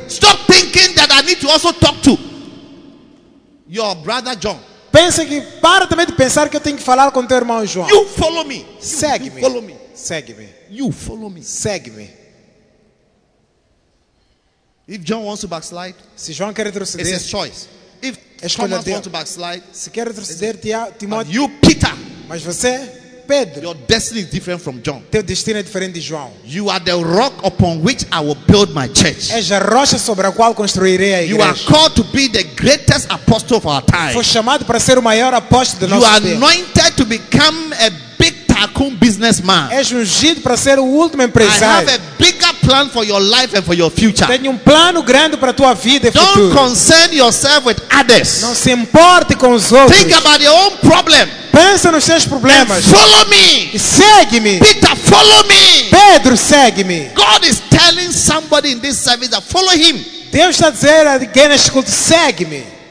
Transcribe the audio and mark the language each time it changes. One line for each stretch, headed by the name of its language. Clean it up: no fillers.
English: Stop thinking that I need to also talk to your brother John.
Portuguese: Pense que para também de pensar que eu tenho que falar com teu irmão João.
English: You follow me.
Portuguese: Segue-me.
English: You follow me.
Portuguese: Segue-me.
English: You follow me.
Portuguese: Segue-me.
English: If John wants to backslide,
Portuguese: se João quer retroceder,
English: it's his choice. If
Portuguese: escolha
English: Thomas wants to backslide,
Portuguese: se quer retroceder, Timóteo,
English: you Peter,
Portuguese: mas você, Pedro,
English: your destiny is different from John.
Portuguese: Teu destino é diferente de João.
English: You are the rock upon which I will build my church.
Portuguese: És a rocha sobre a qual construirei a igreja.
English: You are called to be the greatest apostle of our time.
Portuguese: Foi chamado para ser o maior apóstolo do nosso tempo.
English: You are anointed to become a big tycoon businessman.
Portuguese: És ungido para ser o último empresário.
English: I have a bigger plan for your life and for your future.
Portuguese: Tenho plano grande para tua vida e futuro.
English: Don't concern yourself with others.
Portuguese: Não se importe com os outros.
English: Think about your own problem.
Portuguese: Pensa nos seus problemas.
English: And follow me.
Portuguese: E segue-me.
English: Peter, follow me.
Portuguese: Pedro, segue-me.
English: God is telling somebody in this service that follow him.
Portuguese: Deus está dizendo a alguém neste culto, segue-me.